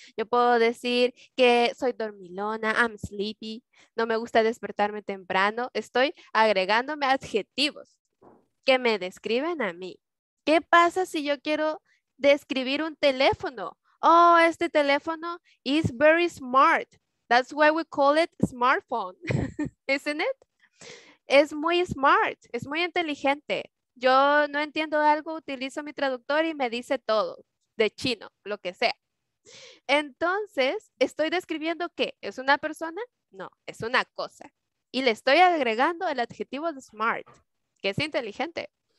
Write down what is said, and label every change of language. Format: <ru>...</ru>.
<es>Yo puedo decir que soy dormilona,</es> <en>I'm sleepy,</en> <es>no me gusta despertarme temprano. Estoy agregándome adjetivos que me describen a mí. ¿Qué pasa si yo quiero describir un teléfono?</es> <en>Oh,</en> <es>este teléfono</es> <en>is very smart. That's why we call it smartphone, isn't it?</en> <es>Es muy smart, es muy inteligente. Yo no entiendo algo, utilizo mi traductor y me dice todo, de chino, lo que sea. Entonces, ¿estoy describiendo qué? ¿Es una persona? No, es una cosa. Y le estoy agregando el adjetivo de smart, que es inteligente.</es>